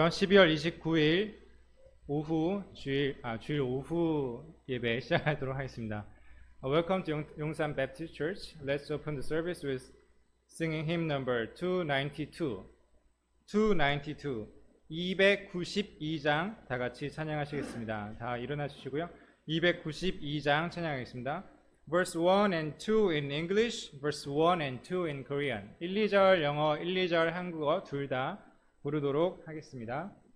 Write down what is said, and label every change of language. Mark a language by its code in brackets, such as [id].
[ko] 12월 29일 오후 주일 오후 예배 시작하도록 하겠습니다. [en] Welcome to Yongsan Baptist Church. Let's open the service with singing hymn number 292. [ko] 292장 다 같이 찬양하시겠습니다. 다 일어나주시고요. 292장 찬양하겠습니다. [en] Verse 1 and 2 in English, verse 1 and 2 in Korean. [ko] 1, 2절 영어, 1, 2절 한국어 둘 다 부르도록 하겠습니다.